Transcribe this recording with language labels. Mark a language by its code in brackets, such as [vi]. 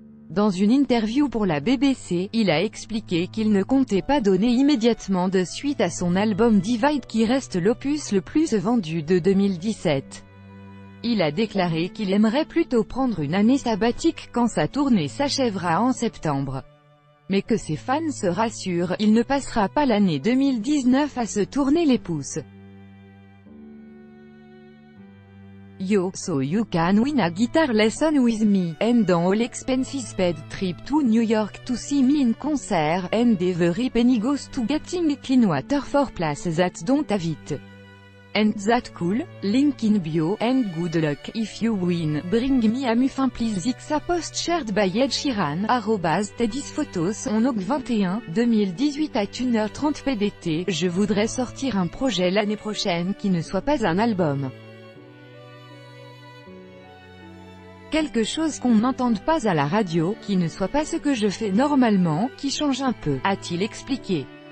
[fr] Dans une interview pour la BBC, il a expliqué qu'il ne comptait pas donner immédiatement de suite à son album Divide qui reste l'opus le plus vendu de 2017. Il a déclaré qu'il aimerait plutôt prendre une année sabbatique quand sa tournée s'achèvera en septembre. Mais que ses fans se rassurent, il ne passera pas l'année 2019 à se tourner les pouces. [en] Yo, so you can win a guitar lesson with me, and on all expenses paid trip to New York to see me in concert, and every penny goes to getting clean water for places that don't have it. And that cool, link in bio, and good luck, if you win, bring me a muffin please. X a post shared by Ed Sheeran, @teddysphotos, on Oct 21, 2018 [fr] à 1h30 PDT, je voudrais sortir un projet l'année prochaine qui ne soit pas un album. Quelque chose qu'on n'entende pas à la radio, qui ne soit pas ce que je fais normalement, qui change un peu, a-t-il expliqué.